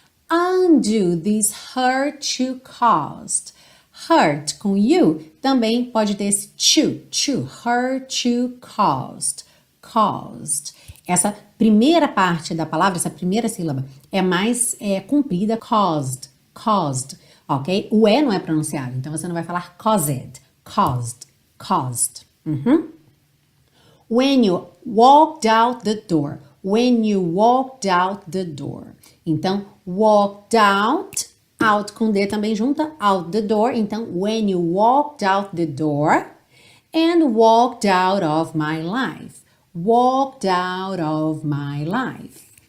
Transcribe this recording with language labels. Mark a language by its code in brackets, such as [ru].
[en] Undo this hurt you caused. Hurt [pt] com [en] you [pt] também pode ter esse [en] to, to, hurt you caused, caused. [pt] Essa primeira parte da palavra, essa primeira sílaba, é mais comprida, caused, caused, ok? O E não é pronunciado, então você não vai falar caused, caused, caused. Uhum. [en] When you walked out the door, when you walked out the door. [pt] Então, [en] walked out. Out [pt] com D também junta, [en] out the door, [pt] então [en] when you walked out the door and walked out of my life, walked out of my life.